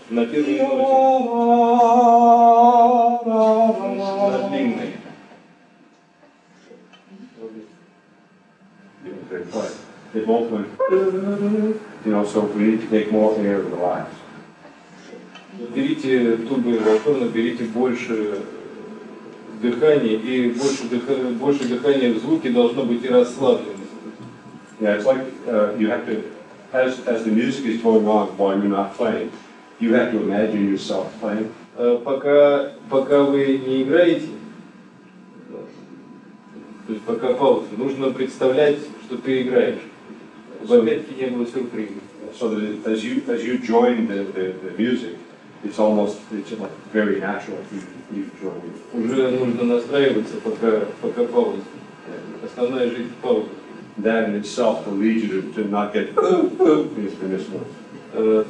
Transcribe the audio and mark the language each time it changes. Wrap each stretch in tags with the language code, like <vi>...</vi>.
<ru>На первой ноте, на длинной. Берите трубы волшебно, берите больше дыхания, и больше дыхания в звуке должно быть и расслаблено.</ru> <en>As the music is going on while you're not playing, you have to imagine yourself playing.</en> <ru>Пока вы не играете, то есть пока пауза, нужно представлять, что ты играешь. В обедке не было сюрприза.</ru> <en>So that as you join the music, it's like very natural if you join it.</en> <ru>Уже нужно настраиваться, пока пауза. Основная жизнь – пауза.</ru> <en>That in itself will lead you to not get into this one.</en>